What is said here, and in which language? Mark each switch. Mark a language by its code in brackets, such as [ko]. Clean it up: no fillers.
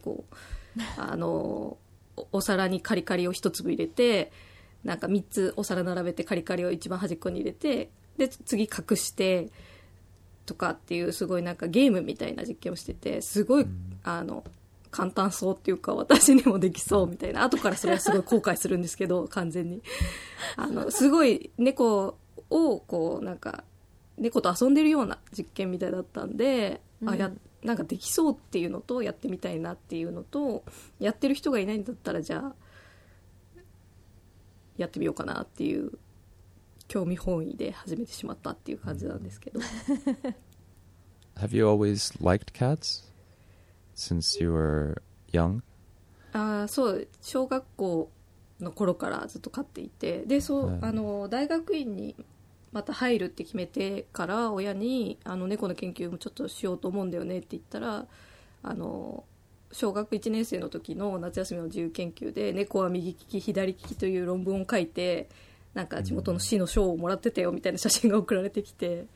[ja] こうお皿にカリカリを一粒入れて、なんか3つお皿並べてカリカリを一番端っこに入れて、で次隠してとかっていう、すごいなんかゲームみたいな実験をしてて、すごい簡単そうっていうか私にもできそうみたいな、後からそれはすごい後悔するんですけど完全にすごい猫をこうなんか猫と遊んでるような実験みたいだったんで、うん、あやなんかできそうっていうのとやってみたいなっていうのと、やってる人がいないんだったらじゃあやってみようかなっていう興味本位で始めてしまったっていう感じなんですけど。 [en] Have you always liked cats since you were young? [ja] そう、小学校の頃からずっと飼っていて、でそう、あの大学院にまた入るって決めてから親にあの猫の研究もちょっとしようと思うんだよねって言ったら、あの小学1年生の時の夏休みの自由研究で猫は右利き左利きという論文を書いて、なんか地元の市の賞をもらってたよみたいな写真が送られてきて、